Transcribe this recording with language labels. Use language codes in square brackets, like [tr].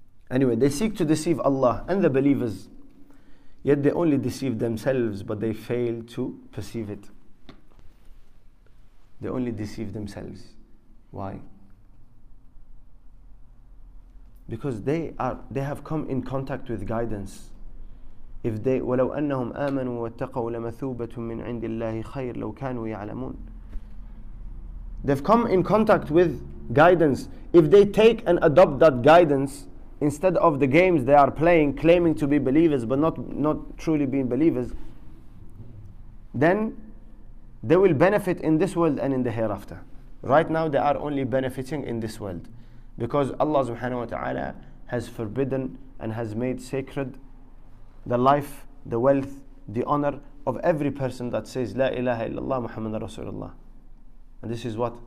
[en] Anyway, they seek to deceive Allah and the believers. Yet they only deceive themselves, but they fail to perceive it. They only deceive themselves. Why? Because they have come in contact with guidance. If they [ar] ولو أنهم آمنوا واتقوا لمثوبة من عند الله خير لو كانوا يعلمون. [en] They've come in contact with guidance. If they take and adopt that guidance, instead of the games they are playing, claiming to be believers but not truly being believers, then they will benefit in this world and in the hereafter. Right now they are only benefiting in this world, because Allah subhanahu wa ta'ala has forbidden and has made sacred the life, the wealth, the honor of every person that says La ilaha illallah Muhammad Rasulullah. And this is what?